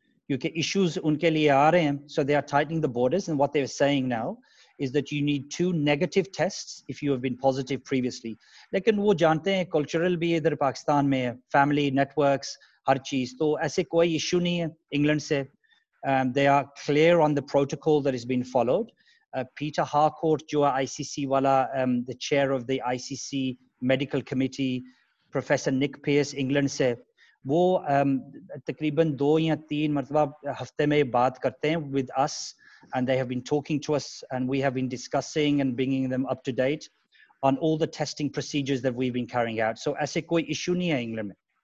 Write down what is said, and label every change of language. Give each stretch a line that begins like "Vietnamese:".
English: UK issues
Hindi: उनके लिए आ रहे हैं
English: so they are tightening the borders and what they are saying now is that you need to negative tests if you have been positive previously
Hindi: लेकिन वो जानते हैं cultural भी इधर पाकिस्तान में फैमिली नेटवर्क्स हर चीज तो ऐसे कोई इशू नहीं है इंग्लैंड से
English: they are clear on the protocol that has been followed. Peter Harcourt,
Hindi: jo ICC wala,
English: the chair of the ICC medical committee, professor Nick Pearce England से,
Hindi: वो तकरीबन दो या तीन मरतबा हफ्ते में
English: बात करते हैं with us and they have been talking to us and we have been discussing and bringing them up to date on all the testing procedures that we have been carrying out.
Hindi: सो ऐसे कोई issue नहीं है England में.